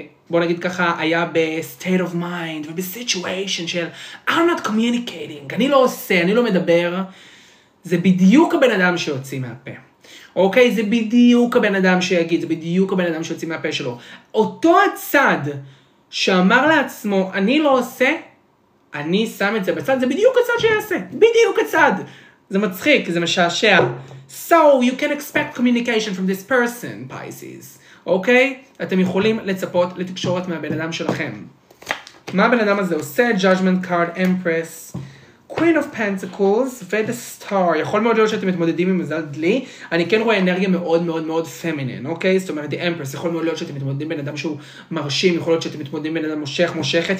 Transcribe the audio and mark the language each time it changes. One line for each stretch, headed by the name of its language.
Hebrew: בוא נגיד ככה, היה ב-
English: state of mind
Hebrew: ובסיטואשן של
English: I'm not communicating,
Hebrew: אני לא עושה, אני לא מדבר, זה בדיוק הבן אדם שיוצא מהפה. אוקיי? זה בדיוק הבן אדם שיגיד, זה בדיוק הבן אדם שיוצא מהפה שלו. אותו הצד שאמר לעצמו, אני לא עושה, אני שם את זה בצד, זה בדיוק הצד שיעשה. בדיוק הצד. זה מצחיק, זה משעשע.
English: So you can expect communication from this person, Pisces.
Hebrew: אוקיי? אתם יכולים לצפות לתקשורת מהבן אדם שלכם. מה הבן אדם הזה עושה? Judgment card, Empress, Queen of Pentacles, ו-The Star. יכול מאוד להיות שאתם מתמודדים עם מזל דלי. אני כן רואה אנרגיה מאוד מאוד מאוד פמינין, אוקיי? זאת אומרת, The Empress. יכול מאוד להיות שאתם מתמודדים בן אדם שהוא מרשים. יכול להיות שאתם מתמודדים בן אדם מושך, מושכת.